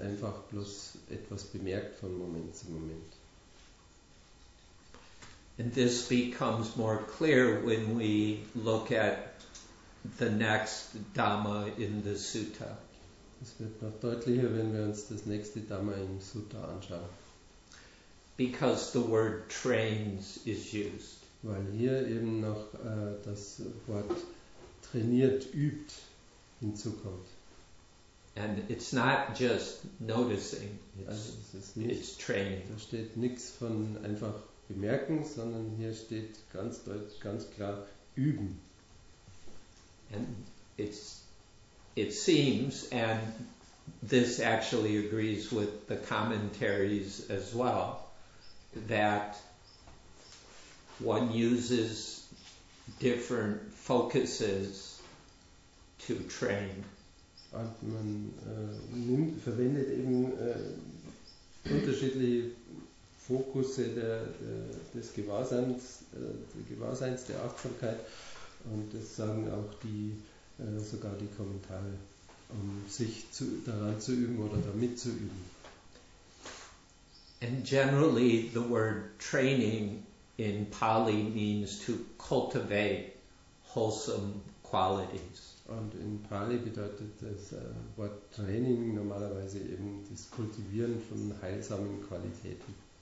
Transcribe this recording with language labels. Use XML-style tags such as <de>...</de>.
<de>Einfach bloß etwas bemerkt von Moment zu Moment.</de> <en>And this becomes more clear when we look at the next Dhamma in the Sutta.</en> <de>Es wird noch deutlicher, wenn wir uns das nächste Dhamma im Sutta anschauen.</de> <en>Because the word trains is used.</en> <de>Weil hier eben noch das Wort trainiert, übt, hinzukommt.</de> <en>And it's not just noticing, it's training.</en> <de>Da steht nichts von einfach bemerken, sondern hier steht ganz klar üben.</de> <en>And it seems, and this actually agrees with the commentaries as well, that one uses different focuses to train.</en> <de>Und man verwendet eben unterschiedliche Fokusse des Gewahrseins, der Achtsamkeit. Und das sagen auch sogar die Kommentare, um sich daran zu üben oder damit zu üben.</de> <en>And generally the word training in Pali means to cultivate wholesome qualities.</en> <de>Und in Pali bedeutet das Wort Training normalerweise eben das Kultivieren von heilsamen Qualitäten.</de>